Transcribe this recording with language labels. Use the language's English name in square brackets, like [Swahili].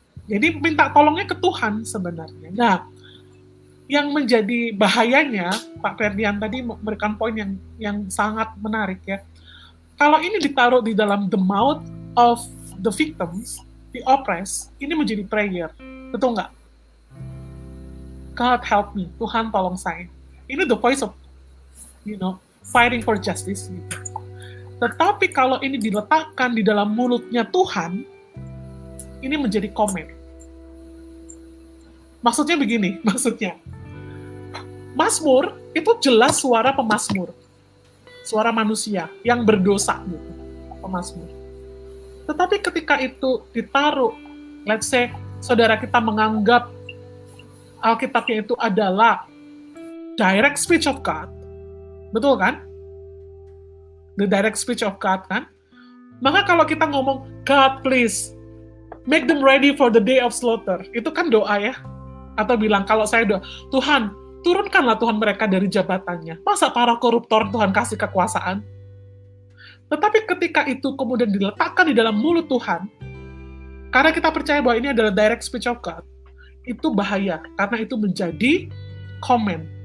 [Indonesian] Jadi minta tolongnya ke Tuhan sebenarnya. Nah, yang menjadi bahayanya, Pak Ferdian tadi memberikan poin yang sangat menarik ya. Kalau ini ditaruh di dalam [English] the mouth of the victims, the oppressed, [Indonesian] ini menjadi prayer. Betul nggak? [English] God help me, [Indonesian] Tuhan tolong saya. Ini [English] the voice of, you know, fighting for justice. [Indonesian] Gitu. Tetapi kalau ini diletakkan di dalam mulutnya Tuhan, ini menjadi comment. Maksudnya begini, maksudnya. Mazmur itu jelas suara pemazmur. Suara manusia yang berdosa gitu, pemazmur. Tetapi ketika itu ditaruh, [English] let's say [Indonesian] saudara kita menganggap Alkitabnya itu adalah [English] direct speech of God. [Indonesian] Betul kan? [English] The direct speech of God kan? [Indonesian] Maka kalau kita ngomong, [English] God please, make them ready for the day of slaughter. [Indonesian] Itu kan doa ya. Atau bilang, kalau saya doa, Tuhan, turunkanlah Tuhan mereka dari jabatannya. Masa para koruptor Tuhan kasih kekuasaan? Tetapi ketika itu kemudian diletakkan di dalam mulut Tuhan, karena kita percaya bahwa ini adalah [English] direct speech of God, [Indonesian] itu bahaya, karena itu menjadi comment.